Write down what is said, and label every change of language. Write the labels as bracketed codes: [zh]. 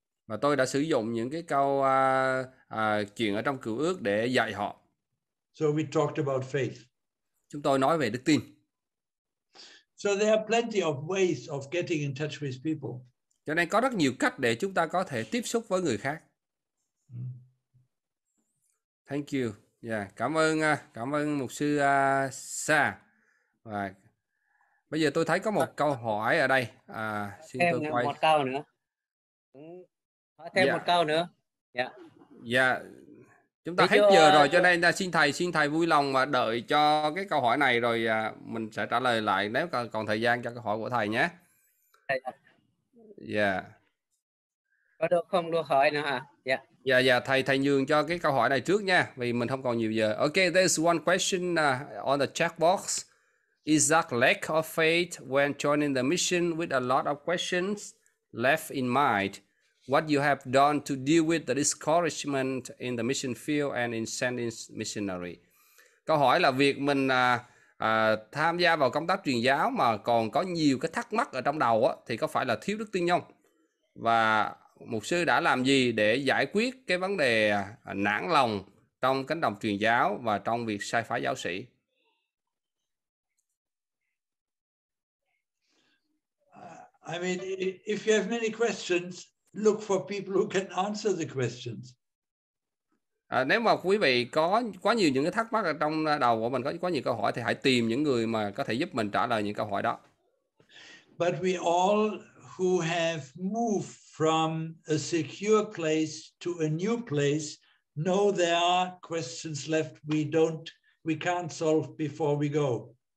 [vi] Và tôi đã sử dụng những cái câu chuyện ở trong Cựu Ước để dạy họ. [en] So we talked about faith. [vi] Chúng tôi nói về đức tin. [en] So there are plenty of ways of getting in touch with people. [vi] Cho nên có rất nhiều cách để chúng ta có thể tiếp xúc với người khác. [en] Thank you. [vi] Yeah, cảm ơn mục sư Sa. Và bây giờ tôi thấy có một câu hỏi ở đây. Xin thêm tôi quay. Một câu nữa. Thêm một câu nữa. Dạ. Yeah. Chúng ta thế hết giờ rồi cho nên xin thầy vui lòng mà đợi cho cái câu hỏi này rồi mình sẽ trả lời lại nếu còn thời gian cho câu hỏi của thầy nhé. Dạ. Yeah. Có được không được hỏi nữa hả? Dạ. Yeah. Dạ, yeah, thầy nhường cho cái câu hỏi này trước nha, vì mình không còn nhiều giờ. [en] Okay, there's one question on the chat box. Is that lack of faith when joining the mission with a lot of questions left in mind? What you have done to deal with the discouragement in the mission field and in sending missionary? [vi] Câu hỏi là việc mình tham gia vào công tác truyền giáo mà còn có nhiều cái thắc mắc ở trong đầu á, thì có phải là thiếu đức tin không? Và mục sư đã làm gì để giải quyết cái vấn đề nản lòng trong cánh đồng truyền giáo và trong việc sai phái giáo sĩ? [en] I mean, if you have many questions, look for people who can answer the questions. [vi] Nếu mà quý vị có quá nhiều những cái thắc mắc ở trong đầu của mình, có quá nhiều câu hỏi, thì hãy tìm những người mà có thể giúp mình trả lời những câu hỏi đó. [en] But we all who have moved from a secure place to a new place know there are questions left we can't solve before we go.